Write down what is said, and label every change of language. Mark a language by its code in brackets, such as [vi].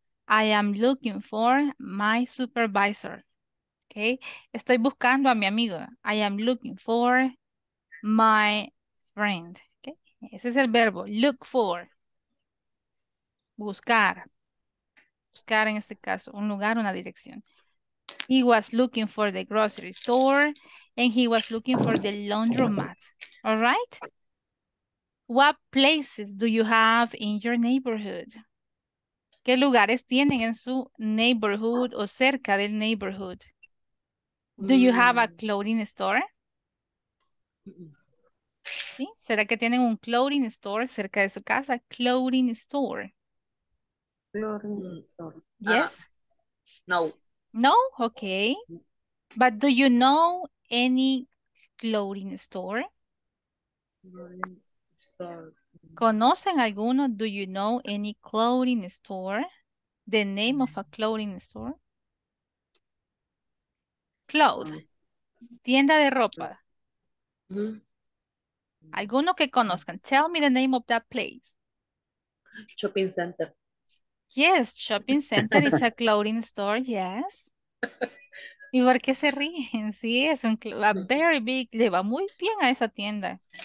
[en] I am looking for my supervisor. Okay. [es] Estoy buscando a mi amigo. [en] I am looking for my friend. Okay. [es] Ese es el verbo. [en] Look for. [es] Buscar. Buscar en este caso un lugar, una dirección. [en] He was looking for the grocery store and he was looking for the laundromat. All right. What places do you have in your neighborhood? [es] ¿Qué lugares tienen en su neighborhood o cerca del neighborhood? [en] Do you have a clothing store? [es] ¿Sí? ¿Será que tienen un clothing store cerca de su casa? [en] Clothing store. Yes. No. No, okay. But do you know any clothing store? [es] ¿Conocen alguno? [en] Do you know any clothing store? The name of a clothing store. [es] Cloth. Tienda de ropa. ¿Alguno que conozcan? [en] Tell me the name of that place. Shopping center. Yes, shopping center, it's a clothing store, yes. [es] ¿Y por qué se ríen? Sí, es un [en] a very big, [es] le va muy bien a esa tienda.